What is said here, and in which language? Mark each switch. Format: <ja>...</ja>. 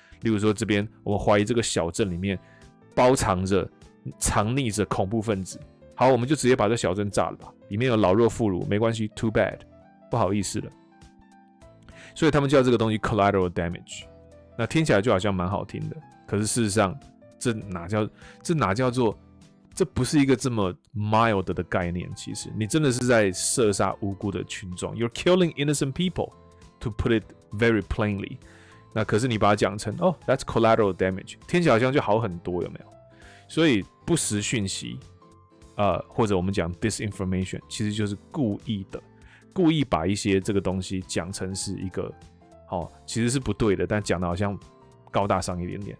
<zh>例如说，这边我们怀疑这个小镇里面包藏着、藏匿着恐怖分子，好，我们就直接把这小镇炸了吧，里面有老弱妇孺，没关系 ，</zh> <en>too bad，</en> <zh>不好意思了。所以他们叫这个东西 collateral damage， 那听起来就好像蛮好听的，可是事实上，这哪叫做？这不是一个这么 mild 的概念，其实你真的是在射杀无辜的群众。</zh> <en>You're killing innocent people, to put it very plainly。</en> <zh>那可是你把它讲成</zh> <en>oh, that's collateral damage，</en> <zh>听起来好像就好很多，有没有？所以不实讯息，或者我们讲 disinformation， 其实就是故意的，故意把一些这个东西讲成是一个，其实是不对的，但讲的好像高大上一点点。</zh>